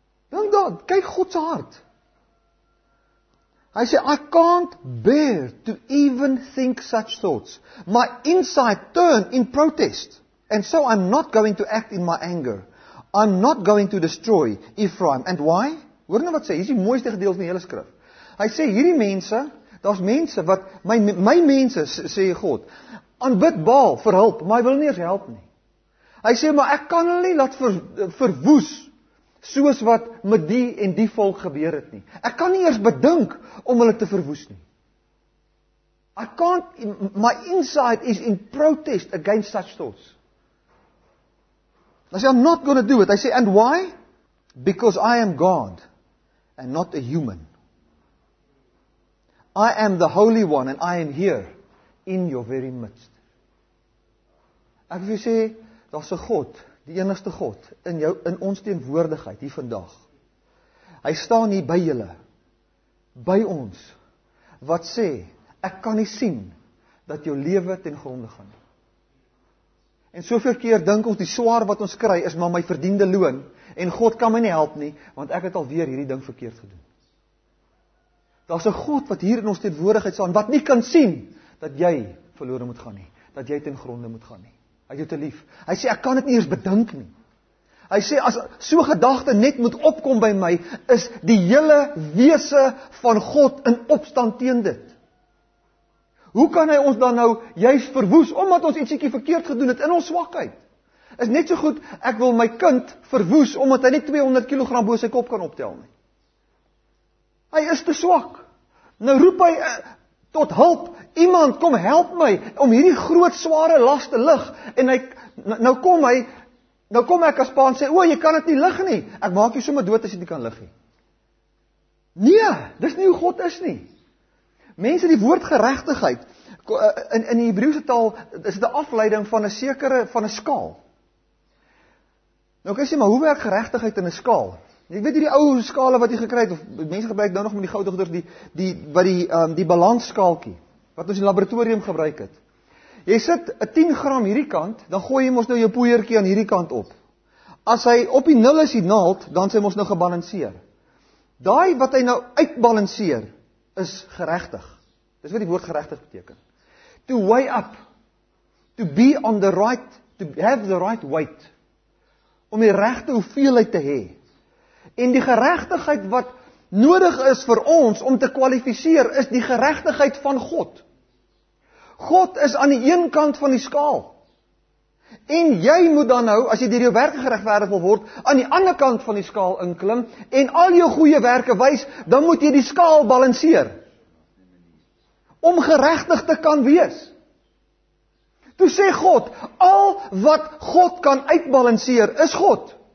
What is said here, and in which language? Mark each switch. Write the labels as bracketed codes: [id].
[af] Dink dan, kyk God se hart. Hy sê, [en] I can't bear to even think such thoughts. My inside turn in protest. And so I'm not going to act in my anger. I'm not going to destroy Ephraim. And why? [af] Hoor nou wat sê, hier is die mooiste gedeelte van die hele skrif. Hy sê, hierdie mense, daar's mense wat, my mense, sê God, aanbid Baal vir hulp, maar hy wil nie eens help nie. Hy sê, maar ek kan hulle nie laat verwoes, soos wat met die en die volk gebeur het nie. Ek kan nie eers bedink om hulle te verwoes nie. [en] I can't, my inside is in protest against such thoughts. I say, I'm not going to do it. I say, and why? Because I am God and not a human. I am the Holy One and I am here in your very midst. [af] Ek wil sê, daar's 'n God, die enigste God, in jou, in ons teenwoordigheid, hier vandag. Hy staan hier by julle, by ons, wat sê, ek kan nie sien dat jou lewe ten gronde gaan. En soveel keer dink ons die swaar wat ons kry is maar my verdiende loon en God kan my nie help nie, want ek het alweer hierdie ding verkeerd gedoen. Daar's 'n God wat hier in ons teenwoordigheid staan, wat nie kan sien dat jy verlore moet gaan nie, dat jy ten gronde moet gaan nie. Hy het jou te lief. Hy sê, ek kan dit nie eers bedink nie. Hy sê, as so gedagte net moet opkom by my, is die hele wese van God in opstand teen dit. Hoe kan hy ons dan nou juist verwoes, omdat ons ietsiekie verkeerd gedoen het in ons swakheid? Is net so goed, ek wil my kind verwoes, omdat hy nie 200 kilogram bo sy kop kan optel nie. Hy is te swak. Nou roep hy tot hulp, iemand kom help my, om hierdie groot sware last te lig, en hy, nou kom ek as pa en sê, jy kan het nie lig nie, ek maak jy sommer dood as jy nie kan lig nie. Nee, dis nie hoe God is nie. Mense, die woord geregtigheid, in die Hebreeuwse taal, is dit 'n afleiding van 'n sekere, van 'n skaal. Nou kan jy sê, maar hoe werk geregtigheid in 'n skaal? Jy weet die ou skale wat jy gekry het, of mense gebruik nou nog met die goud gedoen, die balansskaalkie, wat ons in die laboratorium gebruik het. Jy sit 'n 10 gram hierdie kant, dan gooi jy mos nou jou poeierkie aan hierdie kant op. As hy op die nul is die naald, dan sy mos nou gebalanseer. Daai wat hy nou uitbalanseer, is geregtig. Dis wat die woord geregtig beteken. [en] To weigh up. To be on the right, to have the right weight. [af] Om die regte hoeveelheid te hê. En die geregtigheid wat nodig is vir ons om te kwalificeer, is die geregtigheid van God. God is aan die een kant van die skaal. En jy moet dan nou, as jy deur jou werke geregverdig wil word, aan die ander kant van die skaal inklim, en al jou goeie werke wys, dan moet jy die skaal balanseer. Om geregtig te kan wees. Toe sê God, al wat God kan uitbalanseer, is God.